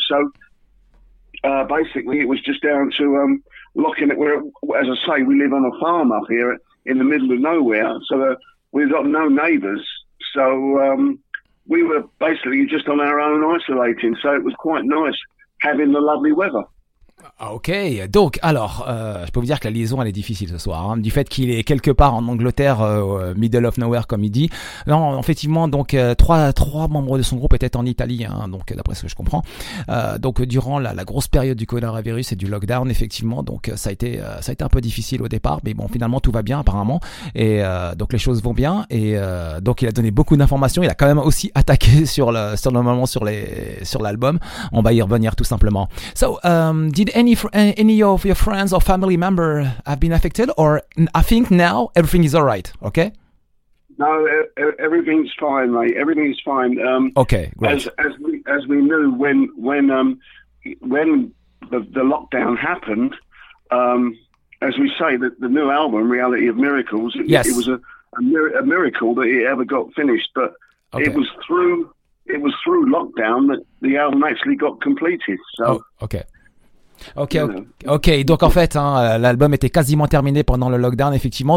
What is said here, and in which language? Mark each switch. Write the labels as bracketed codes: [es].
[en] So basically, it was just down to locking it. Where, as I say, we live on a farm up here in the middle of nowhere, so we've got no neighbours. So we were basically just on our own isolating, so it was quite nice having the lovely weather. [fr] Ok, donc alors, je peux vous dire que la liaison elle est difficile ce soir, hein, du fait qu'il est quelque part en Angleterre, [en] middle of nowhere [fr] comme il dit. Non, effectivement, donc trois membres de son groupe étaient en Italie, hein, donc d'après ce que je comprends. Donc durant la grosse période du coronavirus et du lockdown, effectivement, donc ça a été un peu difficile au départ, mais bon, finalement tout va bien apparemment, et donc les choses vont bien. Et donc il a donné beaucoup d'informations, il a quand même aussi attaqué sur l'album. On va y revenir tout simplement. [en] So did any of your friends or family member have been affected, or I think now everything is all right? Okay. No, everything's fine, mate. Everything's fine. Okay, great. As we knew when the lockdown happened, as we say, the new album, Reality of Miracles. Yes. It was a miracle that it ever got finished, but okay. it was through lockdown that the album actually got completed. So okay. Okay. [fr] Donc en fait, hein, l'album était quasiment terminé pendant le lockdown, effectivement.